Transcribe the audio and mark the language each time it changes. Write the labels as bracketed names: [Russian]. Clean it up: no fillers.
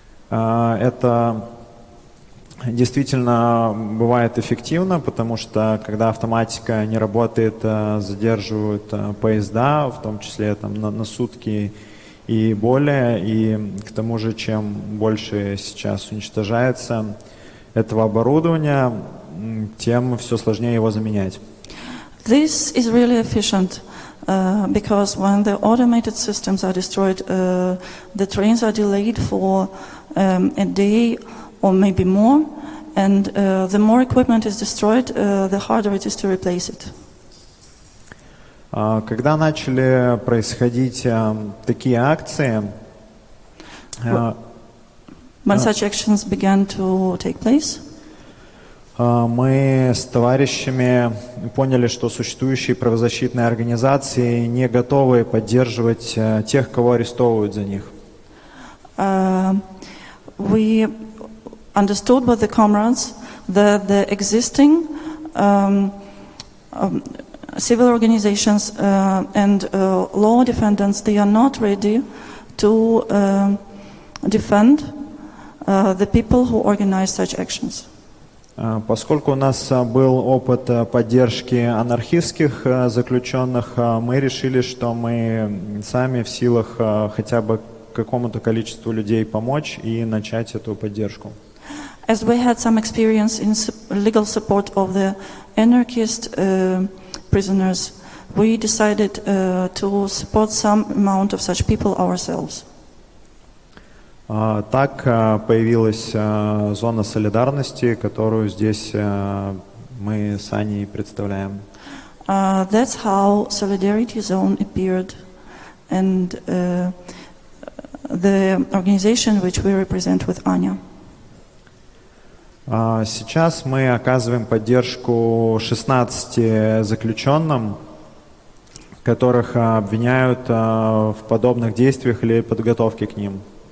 [Russian] Это действительно бывает эффективно, потому что когда автоматика не работает, задерживают поезда, в том числе там на сутки и более, и к тому же, чем больше сейчас уничтожается этого оборудования, тем все сложнее его заменять. [English] This is really efficient, because when the automated systems are destroyed, the trains are delayed for a day or maybe more, and the more equipment is destroyed, the harder it is to replace it. [Russian] Когда начали происходить такие акции, [English] when such actions began to take place, [Russian] мы с товарищами поняли, что существующие правозащитные организации не готовы поддерживать тех, кого арестовывают за них. [English] We understood with the comrades that the existing civil organizations and law defendants, they are not ready to defend the people who organize such actions. [Russian] Поскольку у нас был опыт поддержки анархистских заключенных, мы решили, что мы сами в силах хотя бы какому-то количеству людей помочь и начать эту поддержку. [English] As we had some experience in legal support of the anarchist prisoners, we decided to support some amount of such people ourselves. [Russian] Так появилась зона солидарности, которую здесь мы с Аней представляем. [English] That's how Solidarity Zone appeared, and the organization which we represent with Anya. [Russian] Сейчас мы оказываем поддержку 16 заключенным, которых обвиняют в подобных действиях или подготовке к ним.